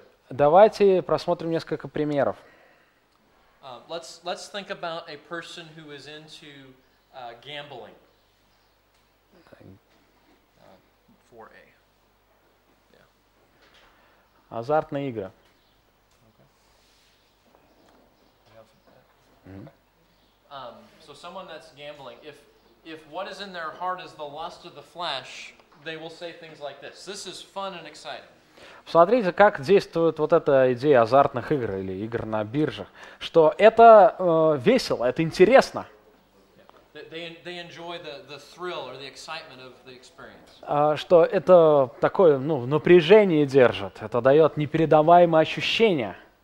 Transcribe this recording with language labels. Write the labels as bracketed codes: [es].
[ru] Давайте просмотрим несколько примеров. [en] Let's think about a person who is into gambling. 4A. Yeah. [ru] Азартные игры. Mm-hmm. [en] So someone that's gambling, if what is in their heart is the lust of the flesh, they will say things like this. This is fun and exciting. [ru] Смотрите, как действует вот эта идея азартных игр или игр на биржах, что это весело, это интересно. [en] They enjoy the thrill or the excitement of the experience. [ru] Что это такое, ну, напряжение держит, это дает непередаваемые ощущения.